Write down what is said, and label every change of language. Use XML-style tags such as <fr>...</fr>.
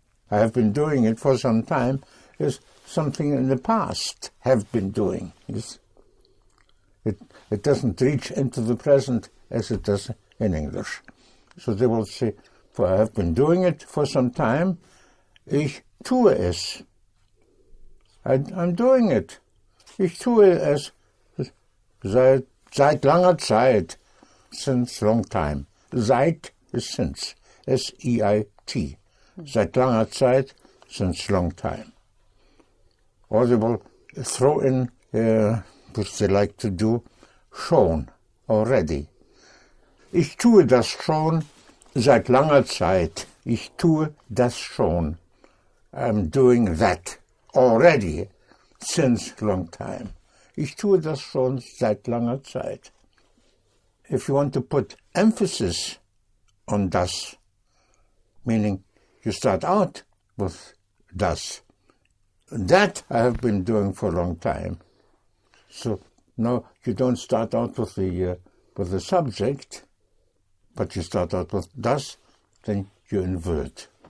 <en>I have been doing it for some time is something in the past, have been doing. It doesn't reach into the present as it does in English. So they will say, for I have been doing it for some time,</en> <de>ich tue es.</de> <en>I'm doing it.</en> <de>Ich tue es seit langer Zeit,</de> <en>since long time. Seit is since, S-E-I-T.</en> <de>Seit langer Zeit,</de> <en>since long time. Or they will throw in, which they like to do, schon, already.</en> <de>Ich tue das schon seit langer Zeit. Ich tue das schon.</de> <en>I'm doing that already since long time.</en> <de>Ich tue das schon seit langer Zeit.</de> <en>If you want to put emphasis on das, meaning you start out with das, that I have been doing for a long time. So now you don't start out with the subject, but you start out with das, then you invert.</en>